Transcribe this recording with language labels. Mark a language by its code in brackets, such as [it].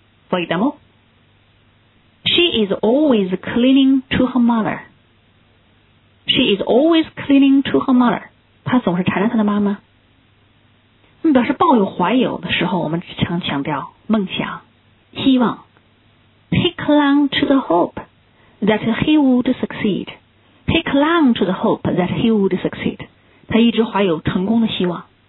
[en] For example, She is always clinging to her mother. She is always clinging to her mother. [zh] 她总是缠着她的妈妈。那么表示抱有怀有的时候，我们常强调梦想希望。 [en] He clung to the hope that he would succeed. He clung to the hope that he would succeed. [zh] 他一直怀有成功的希望。